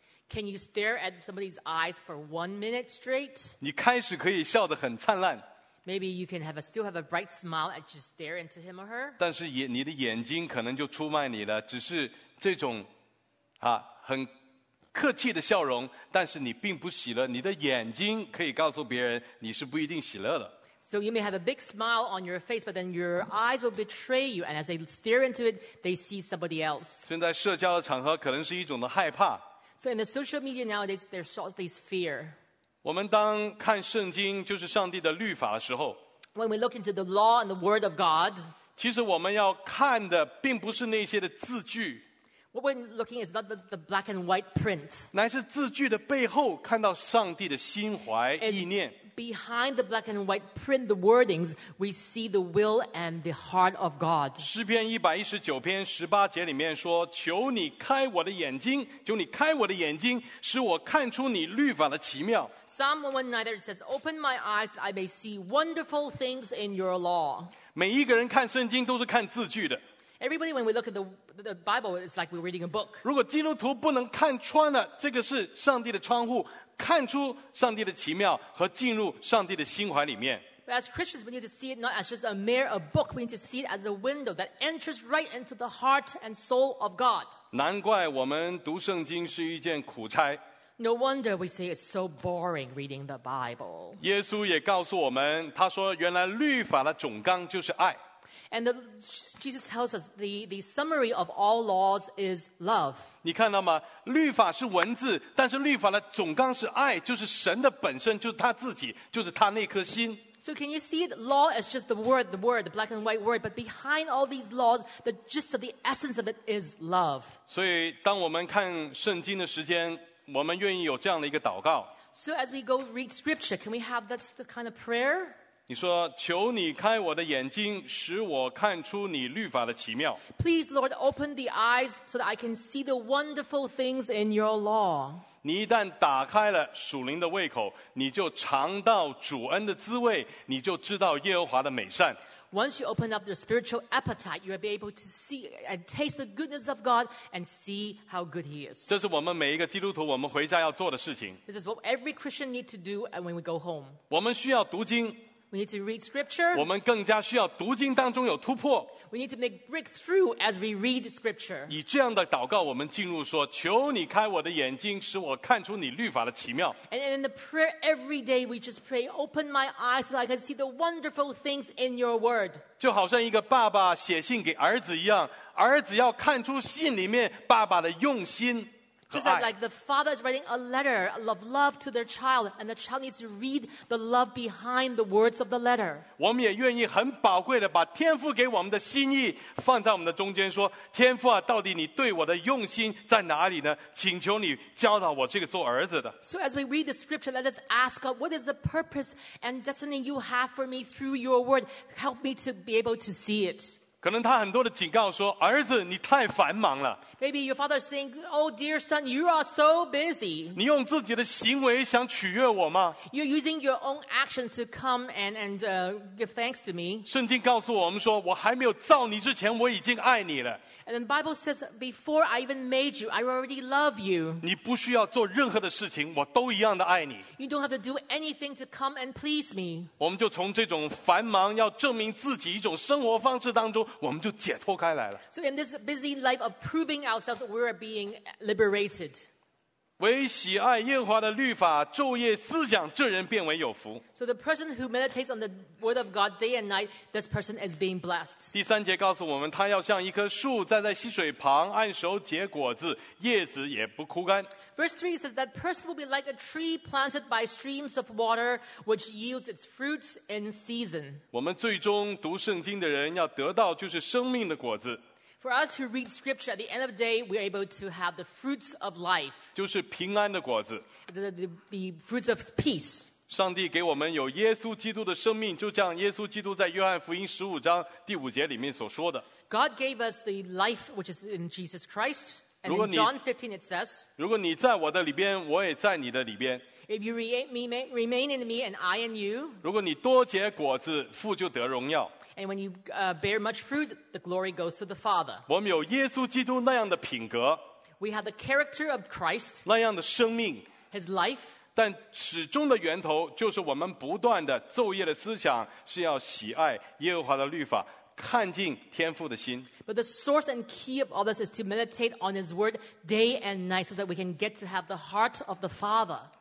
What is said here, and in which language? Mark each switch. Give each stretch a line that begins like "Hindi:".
English: Can you stare at somebody's eyes for 1 minute straight?
Chinese: 你开始可以笑得很灿烂。
English: Maybe you can still have a bright smile as you stare into him or her.
Chinese: 但是你的眼睛可能就出卖你了，只是这种很客气的笑容，但是你并不喜乐。你的眼睛可以告诉别人，你是不一定喜乐的。
English: So you may have a big smile on your face, but then your eyes will betray you, and as they stare into it, they see somebody else.
Chinese: 现在社交的场合可能是一种的害怕。
English: So in the social media nowadays, there's all this fear.
Chinese: 我们当看圣经，就是上帝的律法的时候。
English: When we look into the law and the word of God.
Chinese: 其实我们要看的并不是那些的字句。
English: What we're looking at is not the black and white print.
Chinese: 乃是字句的背后看到上帝的心怀意念。
English: Behind the black and white print, the wordings, we see the will and the heart of God.
Chinese: 诗篇119篇18节里面说，求你开我的眼睛，求你开我的眼睛，使我看出你律法的奇妙。
English: Psalm 119 says, open my eyes that I may see wonderful things in your law.
Chinese: 每一个人看圣经都是看字句的。
English: Everybody, when we look at the Bible, it's like we're reading a book.
Chinese: 如果基督徒不能看穿了，这个是上帝的窗户，看出上帝的奇妙和进入上帝的心怀里面。
English: But as Christians, we need to see it not as just a mere a book. We need to see it as a window that enters right into the heart and soul of God.
Chinese: 难怪我们读圣经是一件苦差。
English: No wonder we say it's so boring reading the Bible.
Chinese: 耶稣也告诉我们，他说原来律法的总纲就是爱。
English: And Jesus tells us the summary of all laws is love.
Chinese: 你看到吗？律法是文字，但是律法的总纲是爱，就是神的本身，就是他自己，就是他那颗心。
English: So can you see the law as just the word, the black and white word, but behind all these laws, the gist of the essence of it is love.
Chinese: 所以当我们看圣经的时间，我们愿意有这样的一个祷告。
English: So as we go read scripture, can we have that kind of prayer?
Chinese: 你说求你开我的眼睛，使我看出你律法的奇妙。
English: Please, Lord, open the eyes so that I can see the wonderful things in your law.
Chinese: 你一旦打开了属灵的胃口，你就尝到主恩的滋味，你就知道耶和华的美善。
English: Once you open up the spiritual appetite, you will be able to see and taste the goodness of God and see how good He is.
Chinese: 这是我们每一个基督徒我们回家要做的事情。
English: This is what every Christian needs to do when we go home.
Chinese: 我们需要读经。
English: We need to read scripture.
Chinese: 我们更加需要读经当中有突破。
English: We need to make breakthrough as we read scripture.
Chinese: 以这样的祷告，我们进入说：“求你开我的眼睛，使我看出你律法的奇妙。”
English: And in the prayer every day, we just pray, "Open my eyes so I can see the wonderful things in your word."
Chinese: 就好像一个爸爸写信给儿子一样，儿子要看出信里面爸爸的用心。
English: Just like the father is writing a letter of love to their child, and the child needs to read the love behind the words of the letter.
Chinese: 我们也愿意很宝贵的把天父给我们的心意放在我们的中间，说天父啊，到底你对我的用心在哪里呢？请求你教导我这个做儿子的。
English: So as we read the scripture, let us ask God, what is the purpose and destiny you have for me through your word? Help me to be able to see it.
Chinese: 可能他很多的警告说，儿子，你太繁忙了。
English: Maybe your father is saying, "Oh dear son, you are so busy."
Chinese: 你用自己的行为想取悦我吗
English: ？You're using your own actions to come and give thanks to me.
Chinese: 圣经告诉我们说，我还没有造你之前，我已经爱你了。
English: And the Bible says, "Before I even made you, I already love you."
Chinese: 你不需要做任何的事情，我都一样的爱你。
English: You don't have to do anything to come and please me.
Chinese: 我们就从这种繁忙要证明自己一种生活方式当中。我们就解脱开来了。
English: So in this busy life of proving ourselves, we are being liberated.
Chinese: 唯喜爱耶和华的律法，昼夜思想，这人变为有福。
English: So the person who meditates on the word of God day and night, this person is being blessed.
Chinese: 第三节告诉我们，他要像一棵树站在溪水旁，按手结果子，叶子也不枯干。
English: Verse 3 says that person will be like a tree planted by streams of water which yields its fruits in season.
Chinese: 我们最终读圣经的人要得到就是生命的果子。
English: For us who read scripture, at the end of the day, we are able to have the fruits of life.
Chinese: 就是平安的果子。
English: The fruits of peace.
Chinese: 上帝给我们有耶稣基督的生命，就像耶稣基督在约翰福音15章第5节里面所说的。
English: God gave us the life which is in Jesus Christ. And in John 15 it says,
Chinese: 如果你在我的里边，我也在你的里边。
English: If you remain in me and I in you,
Chinese: 如果你多结果子，父就得荣耀。
English: And when you bear much fruit, the glory goes to the Father.
Chinese: 我们有耶稣基督那样的品格。
English: We have the character of Christ.
Chinese: 那样的生命。
English: His life.
Chinese: 但始终的源头就是我们不断的昼夜的思想，是要喜爱耶和华的律法。看进天父的心。
English: But the source and key of all this is to meditate on His word day and night so that we can get to have the heart of the Father.